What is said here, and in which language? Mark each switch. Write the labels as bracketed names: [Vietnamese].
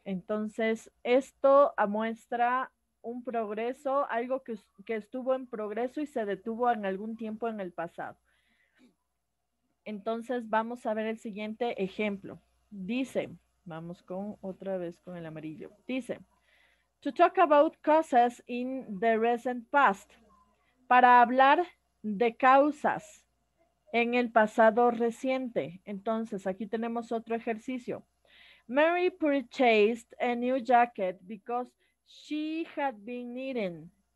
[Spanish] Entonces, esto muestra un progreso, algo que estuvo en progreso y se detuvo en algún tiempo en el pasado. Entonces, vamos a ver el siguiente ejemplo. Dice, vamos con otra vez con el amarillo. Dice, [English] to talk about causes in the recent past. [Spanish] Para hablar de causas en el pasado reciente. Entonces, aquí tenemos otro ejercicio. [English] Mary purchased a new jacket because she had been needing.